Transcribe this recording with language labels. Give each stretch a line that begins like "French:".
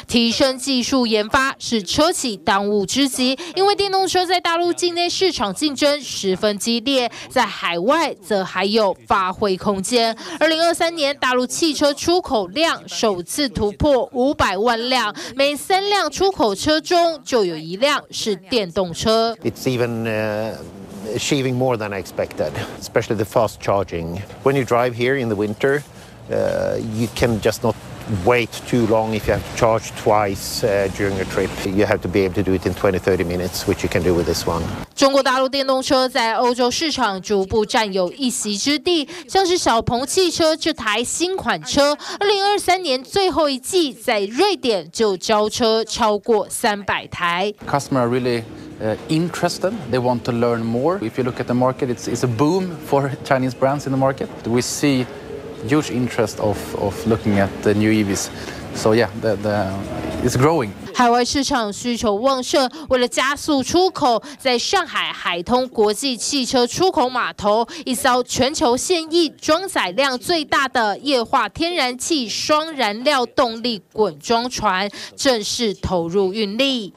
Chinese: 提升技术研发是车企当务之急，因为电动车在大陆境内市场竞争十分激烈，在海外则还有发挥空间。 2023年大陆汽车出口量首次突破500万辆，每3辆出口车中就有1辆是电动车。
English: It's even achieving more than I expected, especially the fast charging. When you drive here in the winter,you can just not wait too long if you have to charge twice during your trip. You have to be able to do it in 20-30 minutes, which you can do with this one.
Chinese: 中国大陆电动车在欧洲市场逐步占有一席之地，像是小鹏汽车这台新款车，2023年最后一季在瑞典就交车超过300台。
English: Customer really. Interested. They want to learn more. If you look at the market, it's a boom for Chinese brands in the market. We see huge interest of looking at the new EVs. So yeah, it's growing.
Chinese: 海外市场需求旺盛，为了加速出口，在上海海通国际汽车出口码头，一艘全球现役装载量最大的液化天然气双燃料动力滚装船正式投入运力，